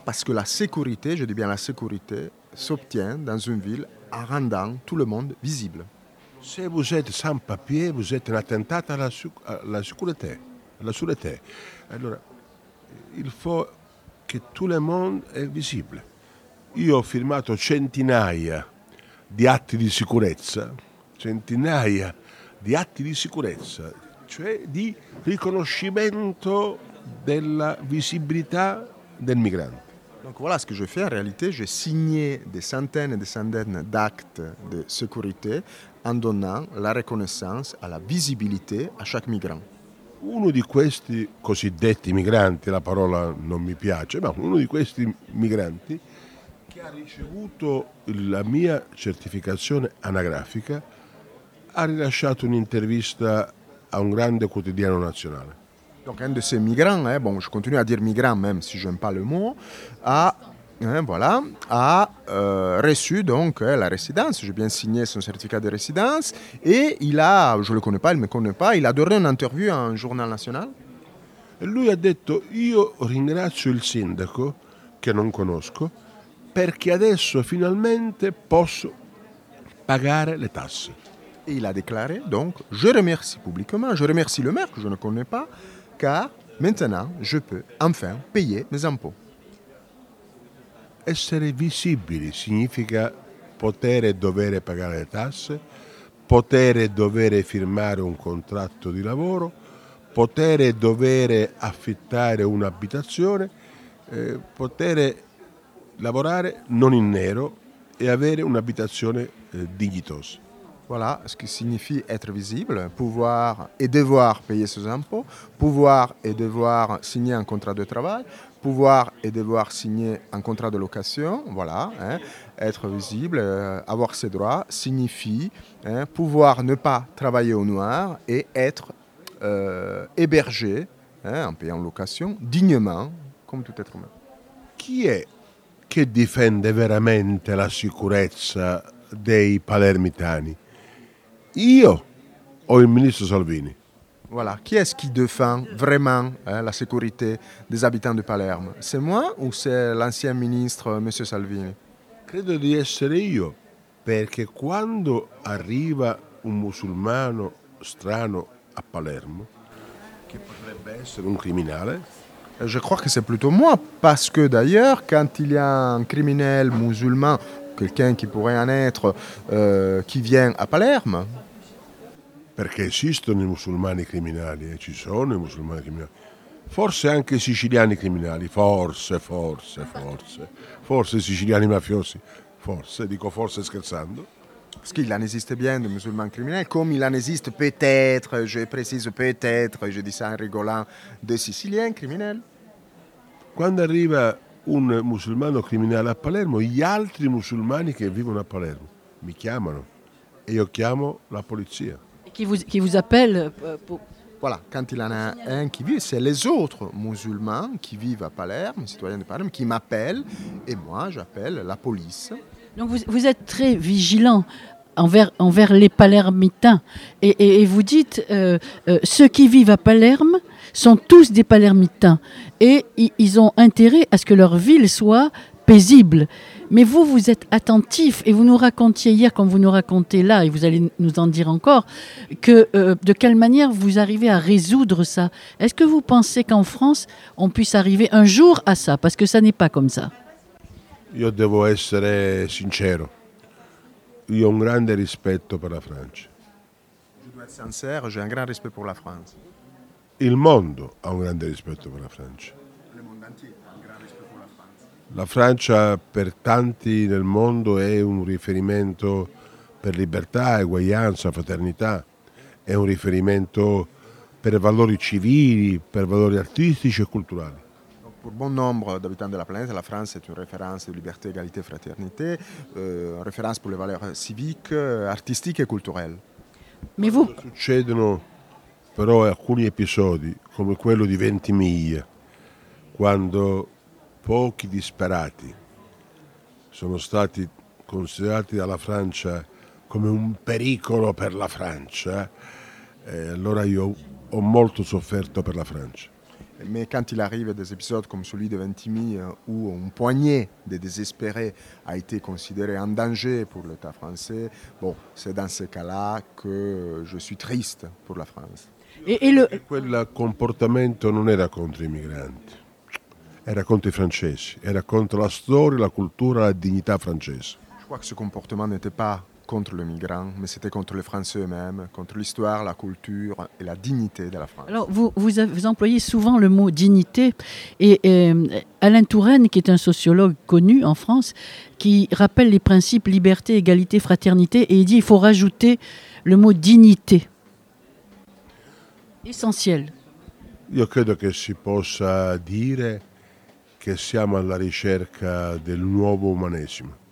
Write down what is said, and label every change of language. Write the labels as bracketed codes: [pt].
[fr] Parce que la sécurité, je dis bien la sécurité, s'obtient dans une ville en rendant tout le monde visible. Si vous êtes sans papier, vous êtes un attentat à la sécurité, à la sûreté. Alors, il faut que tout le monde est visible. [it] Io ho firmato centinaia di atti di sicurezza, centinaia di atti di sicurezza, cioè di riconoscimento della visibilità del migrante. [fr] Donc voilà ce que je fais en réalité, j'ai signé des centaines et des centaines d'actes de sécurité en donnant la reconnaissance à la visibilité à chaque migrant. [it] uno di questi cosiddetti migranti, la parola non mi piace, ma uno di questi migranti che ha ricevuto la mia certificazione anagrafica ha rilasciato un'intervista a un grande quotidiano nazionale. [fr] Donc un de ces migrants, bon, je continue à dire migrant même si je n'aime pas le mot, a reçu la résidence. J'ai bien signé son certificat de résidence et il a, je ne le connais pas, il ne me connaît pas, il a donné une interview à un journal national. Et lui a dit, [it] io ringrazio il sindaco che non conosco perché adesso finalmente posso pagare le tasse. [fr] Et il a déclaré, donc je remercie publiquement, je remercie le maire que je ne connais pas, car maintenant je peux enfin payer mes impôts. [it] Essere visibili significa poter e dovere pagare le tasse, poter e dovere firmare un contratto di lavoro, poter e dovere affittare un'abitazione, poter lavorare non in nero e avere un'abitazione dignitosa. [fr] Voilà ce qui signifie être visible, pouvoir et devoir payer ses impôts, pouvoir et devoir signer un contrat de travail, pouvoir et devoir signer un contrat de location. Voilà, hein, être visible, avoir ses droits signifie pouvoir ne pas travailler au noir et être hébergé en payant location dignement comme tout être humain. Qui est qui défend vraiment la sécurité des palermitani? [it] Io o il ministro Salvini? [fr] Voilà, [it] chi è [fr] qui défend vraiment la sécurité des habitants de Palerme? C'est moi ou c'est l'ancien ministro monsieur Salvini? [it] Credo di essere io, perché quando arriva un musulmano strano a Palermo, che potrebbe essere un criminale, [fr] je crois que c'est plutôt moi, parce que d'ailleurs quand il y a un criminel musulman, quelqu'un qui pourrait en être, qui vient à Palerme. [it] Perché esistono i musulmani criminali, ci sono i musulmani criminali. Forse anche i siciliani criminali, forse i siciliani mafiosi, forse, dico forse scherzando. [fr] Parce qu'il en existe bien des musulmans criminels, comme il en existe peut-être, je précise peut-être, je dis ça en rigolant, des siciliens criminels. [it] Quando arriva un musulmano criminale a Palermo, gli altri musulmani che vivono a Palermo mi chiamano e io chiamo la polizia. [fr] Qui vous appelle pour... Voilà, quand il en a un qui vit, c'est les autres musulmans qui vivent à Palerme, citoyens de Palerme, qui m'appellent et moi j'appelle la police. Donc vous êtes très vigilant envers les palermitains et vous dites ceux qui vivent à Palerme sont tous des palermitains et ils ont intérêt à ce que leur ville soit paisible. Mais vous êtes attentif et vous nous racontiez hier, comme vous nous racontez là, et vous allez nous en dire encore, que de quelle manière vous arrivez à résoudre ça. Est-ce que vous pensez qu'en France, on puisse arriver un jour à ça? Parce que ça n'est pas comme ça. [it] Io devo essere sincero. Io ho un grande rispetto per la Francia. [fr] Je dois être sincère, j'ai un grand respect pour la France. [it] Il mondo ha un grande rispetto per la Francia. La Francia per tanti nel mondo è un riferimento per libertà, eguaglianza, fraternità, è un riferimento per valori civili, per valori artistici e culturali. [fr] Pour bon nombre d'habitants de la planète, la France est une référence de liberté, égalité, fraternité, une référence pour les valeurs civiques, artistiques et culturelles. Mais vous... [it] Succedono però alcuni episodi, come quello di Ventimiglia, quando pochi disperati sono stati considerati dalla Francia come un pericolo per la Francia, allora io ho molto sofferto per la Francia. [fr] Mais quand il arrive des épisodes comme celui de Ventimiglia où un poignet de désespérés a été considéré en danger pour l'État français, bon, c'est dans ce cas-là que je suis triste pour la France. Et le... [it] quel comportement non era [fr] contre les migrants. [it] Era contro i francesi, era contro la storia, la cultura, la dignità francese. [fr] Je crois que ce comportement n'était pas contre les migrants, mais c'était contre les Français eux-mêmes, contre l'histoire, la culture et la dignité de la France. Alors, vous employez souvent le mot dignité. Et Alain Touraine, qui est un sociologue connu en France, qui rappelle les principes liberté, égalité, fraternité, et il dit qu'il faut rajouter le mot dignité. Essentiel. [it] Io credo che si possa dire che siamo alla ricerca del nuovo umanesimo.